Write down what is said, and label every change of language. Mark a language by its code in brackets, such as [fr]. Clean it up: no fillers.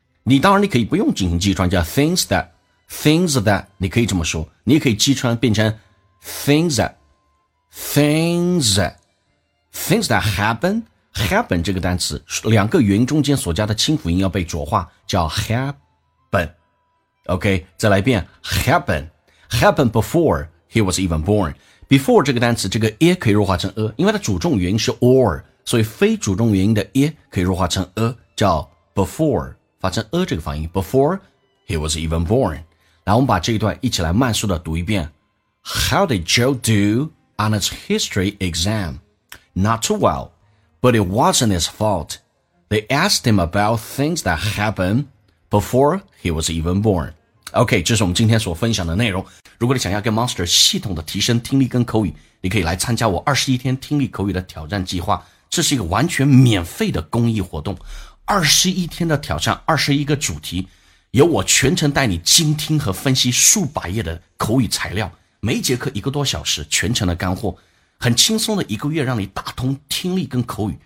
[zh] 你当然你可以不用进行击穿，叫 [en] things that, [zh] 你可以这么说，你也可以击穿变成 [en] things that happen, [zh] 这个单词两个元音中间所加的清辅音要被浊化，叫 happen, OK, 再来一遍 [en] happen before he was even born. [zh] Before 这个单词，这个 e 可以弱化成 a, 因为它主重元音是 or, 所以非主重元音的 e 可以弱化成 a, 叫 before,发成 a 这个发音 [en] before he was even born. [zh] 来，我们把这一段一起来慢速的读一遍。 [en] How did Joe do on his history exam? Not too well, but it wasn't his fault. They asked him about things that happened before he was even born. [zh] OK, 这是我们今天所分享的内容。如果你想要跟 Monster 系统的提升听力跟口语，你可以来参加我21天听力口语的挑战计划。这是一个完全免费的公益活动。21天的挑战，21个主题，由我全程带你精听和分析数百页的口语材料，每一节课一个多小时，全程的干货，很轻松的一个月让你打通听力跟口语。